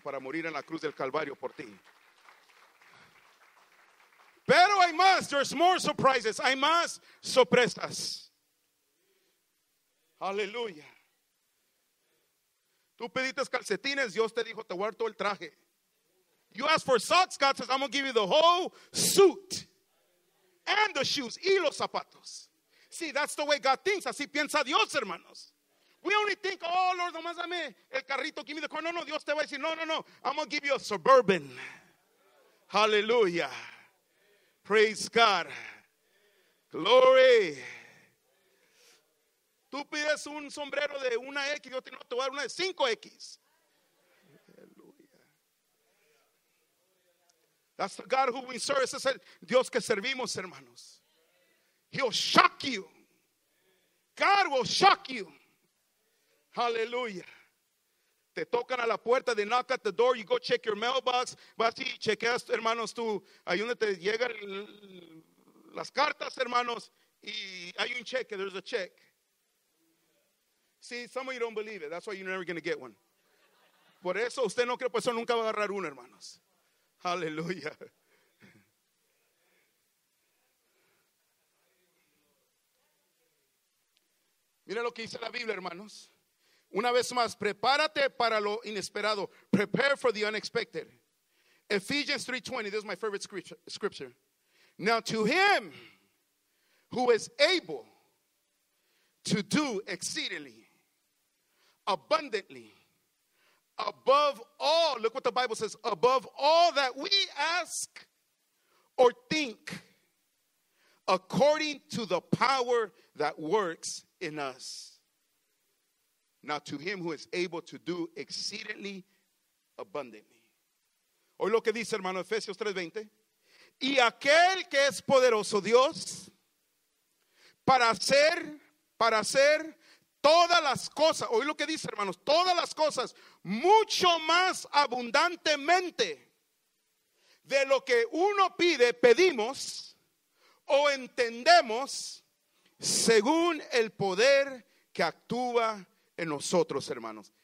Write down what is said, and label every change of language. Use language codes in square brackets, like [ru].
[es] Para morir en la cruz del Calvario por ti. Pero hay más. [en] There's more surprises. [es] Hay más sorpresas. Aleluya. Tú pediste calcetines. Dios te dijo, te voy a dar todo el traje. [en] You asked for socks. God says, I'm going to give you the whole suit. And the shoes. [es] Y los zapatos. [en] See, that's the way God thinks. [es] Así piensa Dios, hermanos. [en] We only think, oh, Lord, [es] nomás dame el carrito, [en] give me the car. [es] No, no, Dios te va a decir, no. [en] I'm going to give you a Suburban. Hallelujah. Praise God. Glory. [es] Tú pides un sombrero de una X, yo te voy a dar una de 5X. [en] Hallelujah. That's the God who we serve. [es] Ese es el Dios que servimos, hermanos. [en] He'll shock you. God will shock you. Hallelujah. [es] Te tocan a la puerta. [en] They knock at the door. You go check your mailbox. [es] Vas y chequeas, hermanos, tú. Ahí donde te llegan las cartas, hermanos. Y hay un cheque. [en] There's a check. See, some of you don't believe it. That's why you're never going to get one. [es] Por eso usted no cree. Por eso nunca va a agarrar uno, hermanos. [en] Hallelujah. Hallelujah. [es] Mira lo que dice la Biblia, hermanos. Una vez más, prepárate para lo inesperado. [en] Prepare for the unexpected. Ephesians 3:20, this is my favorite scripture. Now to him who is able to do exceedingly, abundantly, above all, look what the Bible says, above all that we ask or think, according to the power that works in us. Now to him who is able to do exceedingly abundantly. [es] Hoy lo que dice, hermano, Efesios 3:20. Y aquel que es poderoso Dios para hacer todas las cosas. Hoy lo que dice, hermanos, todas las cosas mucho más abundantemente de lo que uno pide, pedimos o entendemos, según el poder que actúa en nosotros, hermanos.